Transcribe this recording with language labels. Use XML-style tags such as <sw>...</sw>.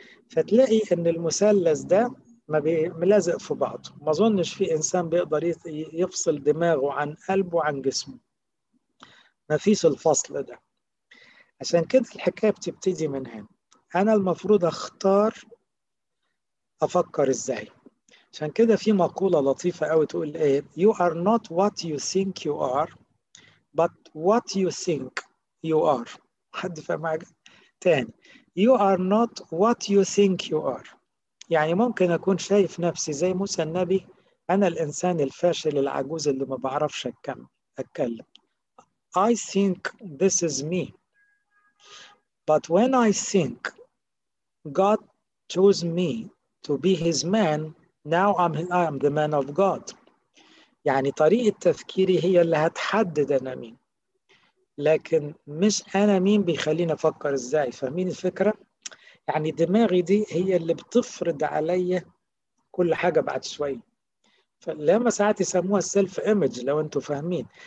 <ar>فتلاقي إن المثلث ده ما بيلازق في بعض، ما ظنش في إنسان بيقدر يفصل دماغه عن قلبه عن جسمه، ما فيش الفصل ده. عشان كده الحكاية بتبتدي من هنا، أنا المفروض أختار أفكر إزاي. عشان كده في مقولة لطيفة قوي تقول إيه:</ar> <en>You are not what you think you are but what you think you are.</en> <ar>حد فاهم حاجة؟ تاني:</ar> <en>You are not what you think you are.</en> <ar>يعني ممكن أكون شايف نفسي زي موسى النبي، أنا الإنسان الفاشل العجوز اللي ما بعرفش أتكلم.</ar> <en>I think this is me. But when I think God chose me to be his man, now I'm the man of God.</en> <ar>يعني طريقة تفكيري هي اللي هتحدد أنا مين، لكن مش أنا مين بيخليني أفكر إزاي. فاهمين الفكرة؟ يعني دماغي دي هي اللي بتفرض علي كل حاجة بعد شوية، فلما ساعات يسموها السلف إيمج لو أنتوا فاهمين.</ar>